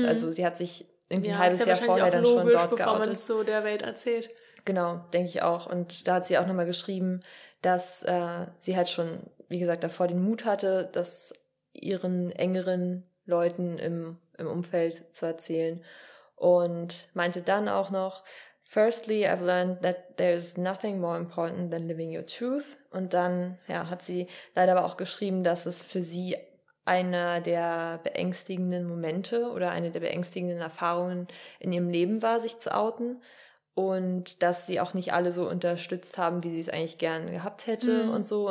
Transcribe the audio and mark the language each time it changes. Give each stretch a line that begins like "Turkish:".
German: Also sie hat sich irgendwie ein halbes Jahr vorher dann schon dort geoutet. Ja, ist ja wahrscheinlich auch logisch, bevor man es so der Welt erzählt. Genau, denke ich auch. Und da hat sie auch nochmal geschrieben, dass sie halt schon, wie gesagt, davor den Mut hatte, das ihren engeren Leuten im Umfeld zu erzählen. Und meinte dann auch noch,
English: firstly, I've learned that there's nothing more important than living your truth.
German: Und dann hat sie leider aber auch geschrieben, dass es für sie einer der beängstigenden Momente oder eine der beängstigenden Erfahrungen in ihrem Leben war, sich zu outen. Und dass sie auch nicht alle so unterstützt haben, wie sie es eigentlich gern gehabt hätte und so.